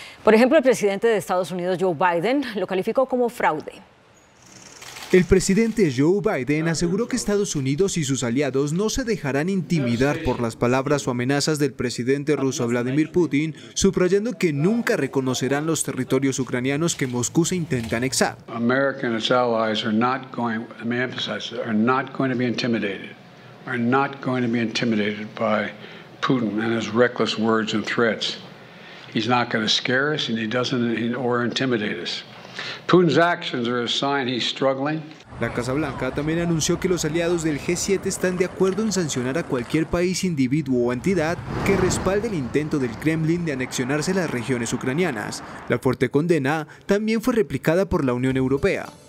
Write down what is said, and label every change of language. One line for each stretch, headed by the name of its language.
Spanish: Por ejemplo, el presidente de Estados Unidos, Joe Biden, lo calificó como fraude. El presidente Joe Biden aseguró que Estados Unidos y sus aliados no se dejarán intimidar por las palabras o amenazas del presidente ruso Vladimir Putin, subrayando que nunca reconocerán los territorios ucranianos que Moscú se intenta anexar.
English: American allies are not going, let me emphasize, are not going to be intimidated. Are not going to be intimidated by Putin and his reckless words and threats. He's not going to scare us and he doesn't or intimidate us. Putin's actions are a sign he's struggling.
Spanish: La Casa Blanca también anunció que los aliados del G7 están de acuerdo en sancionar a cualquier país, individuo o entidad que respalde el intento del Kremlin de anexionarse las regiones ucranianas. La fuerte condena también fue replicada por la Unión Europea.